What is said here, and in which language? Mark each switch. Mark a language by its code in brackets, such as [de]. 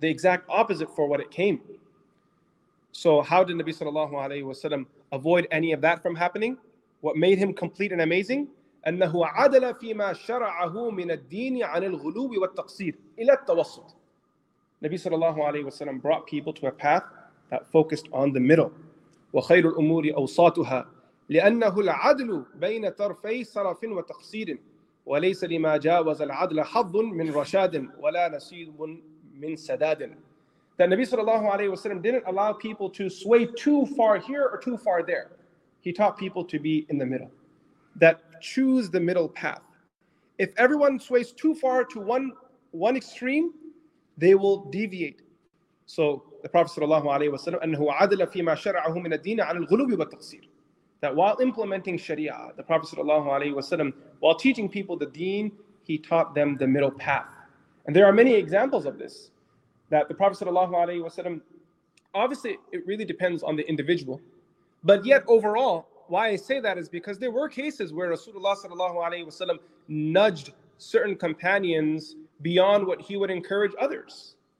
[en] The exact opposite for what it came. So how did Nabi sallallahu alayhi wa sallam avoid any of that from happening? What made him complete and amazing? [ar] أَنَّهُ عَدَلَ فِيمَا شَرَعَهُ مِنَ الدِّينِ عَنِ الْغُلُوبِ وَالتَّقْصِيرِ إِلَى التَّوَسُطِ. [en] Nabi sallallahu alayhi wa sallam brought people to a path that focused on the middle. [ar] وَخَيْرُ الْأُمُورِ أَوْسَاطُهَا لأنه العدل بين طرفي صرف وتقصير وليس لما جاوز العدل حظ من رشاد ولا نصيب من سداد. [en] That Nabi sallallahu alayhi wa sallam didn't allow people to sway too far here or too far there. He taught people to be in the middle. That choose the middle path. If everyone sways too far to one extreme, they will deviate. So the Prophet sallallahu alayhi wa sallam, [ar] أنه عدل فيما شرعه من الدين عن الغلوب والتقصير. [en] That while implementing Sharia, the Prophet sallallahu alaihi wasallam, while teaching people the deen, he taught them the middle path. And there are many examples of this, that the Prophet sallallahu alaihi wasallam, obviously it really depends on the individual, but yet overall, why I say that is because there were cases where Rasulullah sallallahu alaihi wasallam nudged certain companions beyond what he would encourage others.